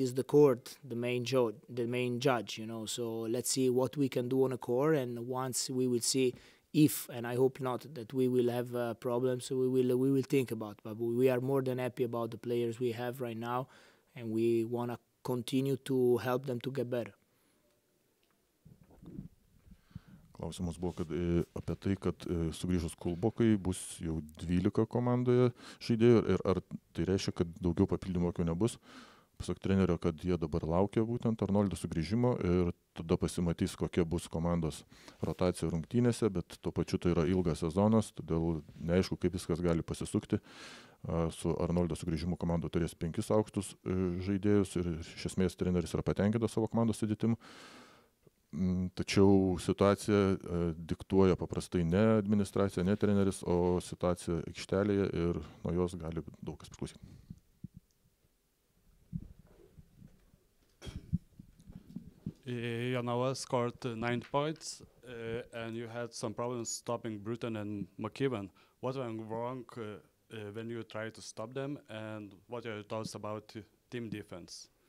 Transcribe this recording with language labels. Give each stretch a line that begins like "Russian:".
English: It's the court, the main judge, you know. So let's see what we can do on a court, and once we will see if, and I hope not, that we will have problems, so we will think about. But we are more than happy about the players we have right now, and we want to continue to help them to get better.
Lithuanian: Klausimas buvo apie tai, kad sugrįžus Kulbokai bus jau 12 komandoje žaidėjų, ir ar tai reiškia, kad daugiau papildymų jokių nebus. Pasak trenerio, kad jie dabar laukia būtent Arnoldo sugrįžimo ir tada pasimatys, kokia bus komandos rotacija rungtynėse, bet tuo pačiu tai yra ilgas sezonas, todėl neaišku, kaip viskas gali pasisukti. Su Arnoldo sugrįžimu komando turės 5 aukštus žaidėjus ir iš esmės treneris yra patenkintas savo komandos sudėtimu. Tačiau situacija diktuoja paprastai ne administracija, ne treneris, o situacija aikštelėje, ir nuo jos gali daug kas priklausyti.
English: Jonava scored 9 points and you had some problems stopping Bruton and McKibben. What went wrong when you tried to stop them, and what are your thoughts about team defense?